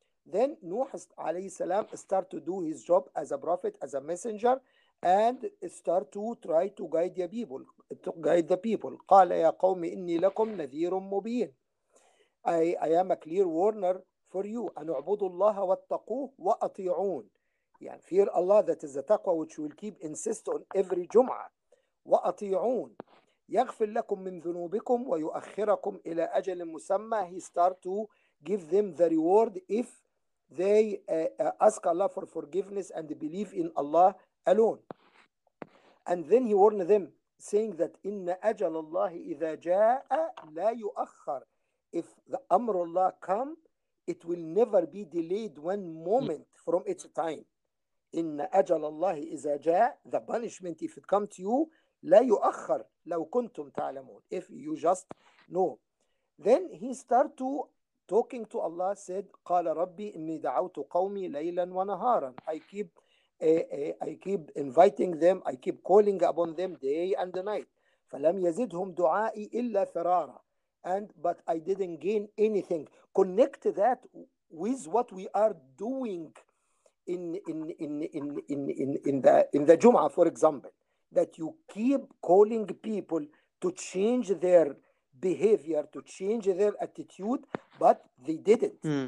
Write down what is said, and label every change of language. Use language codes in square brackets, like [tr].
[en] Then Nuh alayhi salam start to do his job as a prophet, as a messenger, and start to try to guide the people. [ar] Qala ya qawmi inni lakum nadhirun mubin. [en] I am a clear warner for you. [ar] An'ubudullaha wattaquh wa ati'un. [en] Yeah, fear Allah, that is the taqwa which will keep insist on every Jum'ah. [ar] Wa ati'un. يغفر لكم من ذنوبكم ويؤخركم إلى أجل مسمى. [en] He start to give them the reward if they ask Allah for forgiveness and believe in Allah alone. And then he warned them, saying that [ar] إن أجل الله إذا جاء لا يؤخر. [en] If the أمر الله come, it will never be delayed one moment from its time. [ar] إن أجل الله إذا جاء, [en] the punishment if it come to you, [ar] لا يؤخر لو كنتم تعلمون. [en] If you just know, then he start to talking to Allah, said [ar] قال ربي إني دعوت قومي ليلا ونهارا. [en] I keep inviting them, I keep calling upon them day and night. [ar] فلم يزدهم دعائي إلا فرارا. [en] But I didn't gain anything. Connect that with what we are doing in the Jum'ah, for example. that you keep calling people to change their behavior, to change their attitude, but they didn't.